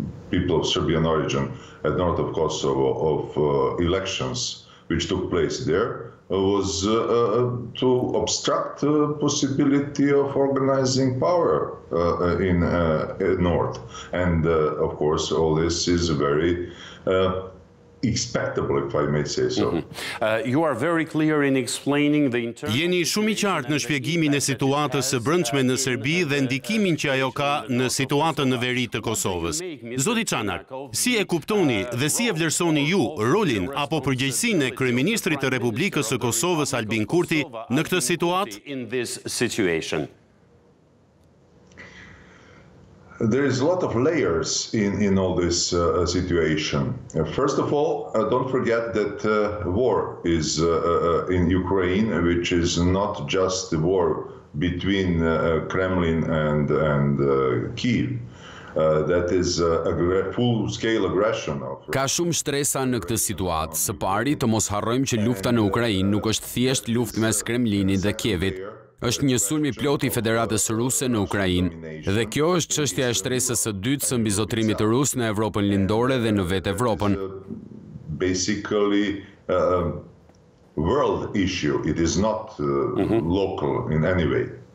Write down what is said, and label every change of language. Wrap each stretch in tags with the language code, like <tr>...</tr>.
<en>people of Serbian origin at north of Kosovo of elections which took place there was to obstruct the possibility of organizing power in north, and of course all this is very expectable, if I may say so. You are very clear in explaining the internal.</en> <sq>Jeni shumë i qartë në shpjegimin e situatës së brendshme në Serbi dhe ndikimin që ajo ka në situatën në veri të Kosovës. Zoti Çanak, si e kuptoni dhe si e vlerësoni ju rolin apo përgjegjësinë e kryeministrit të Republikës së Kosovës Albin Kurti në këtë situatë?</sq> <en>There is a lot of layers in all this situation. First of all, don't forget that war is in Ukraine, which is not just the war between Kremlin and Kyiv. That is a full scale aggression of.</en> <sq>Ka shumë stresa në këtë situatë. Së pari, të mos harrojmë që lufta në Ukrainë nuk është thjesht luftë mes Kremlinit dhe Kievit. Është një sulm i plotë i Federatës Ruse në Ukrainë, dhe kjo është çështja e shtresës së dytë së mbizotrimit të Rusë në Evropën Lindore dhe në vetë Evropën.</sq> <en>Basically world issue, it is not local in any way.</en>